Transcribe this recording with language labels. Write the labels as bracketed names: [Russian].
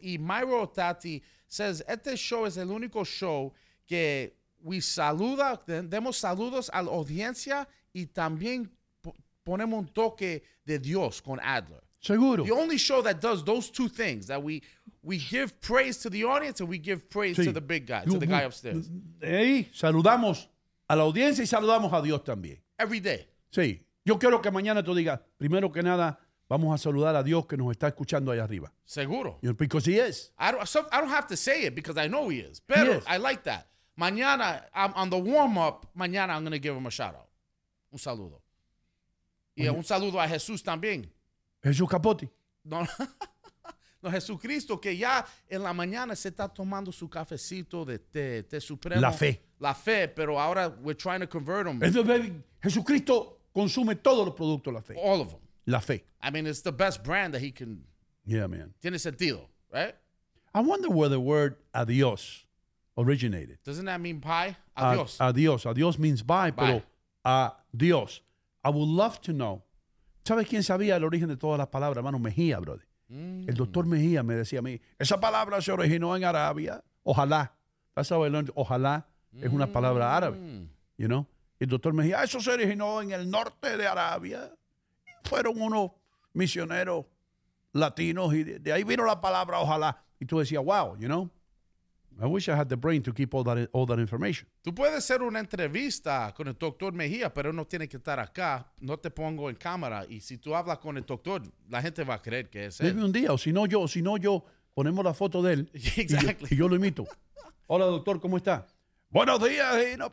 [Spanish] Y Myro Tati says, este show es el único show que we saluda, demos saludos a la audiencia y también ponemos un toque de Dios con Adler. Seguro. [English] The only show that does those two things, that we give praise to the audience and we give praise to the big guy, to the guy upstairs. [Spanish] Hey, saludamos a la audiencia y saludamos a Dios también. [English] Every day. [Spanish] Sí. Yo quiero que mañana tú digas, primero que nada, vamos a saludar a Dios que nos está escuchando allá arriba. Seguro. [English] Because he is. I don't have to say it because I know he is. But I like that. Mañana, on the warm-up, mañana I'm going to give him a shout-out. [Spanish] Un saludo. Y un saludo a Jesús también. Jesús Capote. No, Jesucristo, que ya en la mañana se está tomando su cafecito de té supremo. La fe. La fe, pero ahora [English] we're trying to convert him. [Spanish] Jesucristo consume todos los productos de la fe. [English] All of them. [Spanish] La fe. [English] I mean, it's the best brand that he can. Yeah, man. [Spanish] Tiene sentido, right? [English] I wonder where the word adiós originated. Doesn't that mean bye? Adiós. [Spanish] Adiós. [English] Adiós means bye, [Spanish] pero adiós. [English] I would love to know. [Spanish] ¿Sabes quién sabía el origen de todas las palabras, hermano? Mejía, brother. El doctor Mejía me decía a mí, esa palabra se originó en Arabia. Ojalá. [English] That's how I learned. [Spanish] Ojalá es una palabra árabe. [English] You know? [Spanish] El doctor Mejía, eso se originó en el norte de Arabia. Fueron unos misioneros latinos y de ahí vino la palabra ojalá. Y tú decías, [English] wow, you know? I wish I had the brain to keep all that information. [Spanish] Tú puedes hacer una entrevista con el doctor Mejía, pero no tiene que estar acá. No te pongo en cámara. Y si tú hablas con el doctor, la gente va a creer que es él. Dime un día, o si no yo, ponemos la foto de él. [English] Exactly. [Spanish] Y yo lo imito. Hola, doctor, ¿cómo está? Buenos días, Gino.